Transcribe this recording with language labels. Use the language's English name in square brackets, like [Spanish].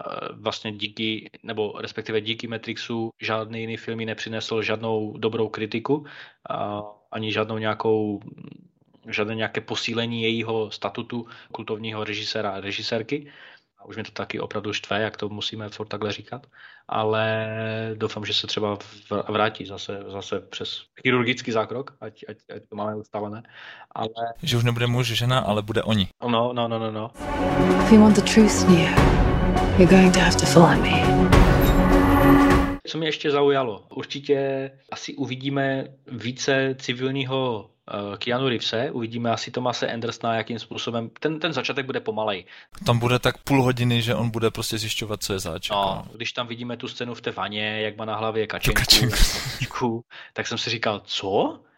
[Czech] Vlastně díky, nebo respektive díky Matrixu žádný jiný film ji nepřinesl žádnou dobrou kritiku, ani žádnou nějakou žádné nějaké posílení jejího statutu kultovního režiséra a režisérky. A už mě to taky opravdu štve, jak to musíme furt takhle říkat. Ale doufám, že se třeba vrátí zase přes chirurgický zákrok, ať to máme ustavené. Ale... Že už nebude muž žena, ale bude oni. No. [English] If you want the truth, Nia, you're going to have to follow me. [Czech] Co mě ještě zaujalo? Určitě asi uvidíme více civilního Keanu Reevese, uvidíme asi Thomase Andersona, jakým způsobem, ten začátek bude pomalej. Tam bude tak půl hodiny, že on bude prostě zjišťovat, co je záč. No, když tam vidíme tu scénu v té vaně, jak má na hlavě kačenku, tak jsem si říkal, co?